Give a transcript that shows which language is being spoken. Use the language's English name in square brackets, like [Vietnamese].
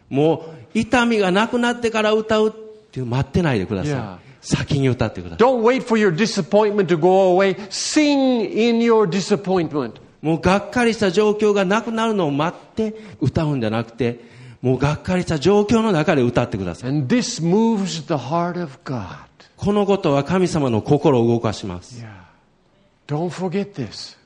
[Japanese] もう痛みがなくなってから歌うって待ってないでください。 Yeah. 先に歌ってください。 [English] Don't wait for your disappointment to go away. Sing in your disappointment. [Japanese] もうがっかりした状況がなくなるのを待って歌うんじゃなくて、もうがっかりした状況の中で歌ってください。 [English] And this moves the heart of God. [Japanese] このことは神様の心を動かします。 [English] Yeah. Don't forget this.